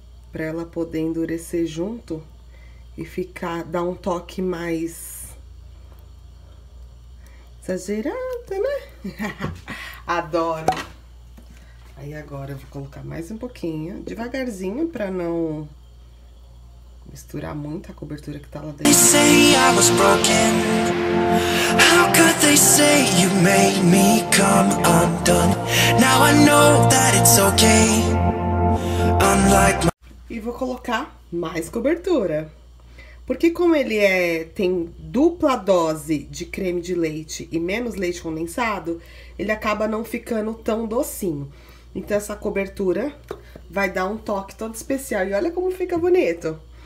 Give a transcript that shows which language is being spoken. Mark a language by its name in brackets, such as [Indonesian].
[Portuguese] Pra ela poder endurecer junto e ficar, dar um toque mais exagerado, né? Adoro. Aí agora eu vou colocar mais um pouquinho, devagarzinho, pra não misturar muito a cobertura que tá lá dentro. [English] They say I was broken. How could they say you made me come undone? Now I know that it's okay. Unlike my... [Portuguese] E vou colocar mais cobertura. Porque como ele tem dupla dose de creme de leite e menos leite condensado, ele acaba não ficando tão docinho. Então essa cobertura vai dar um toque todo especial. E olha como fica bonito.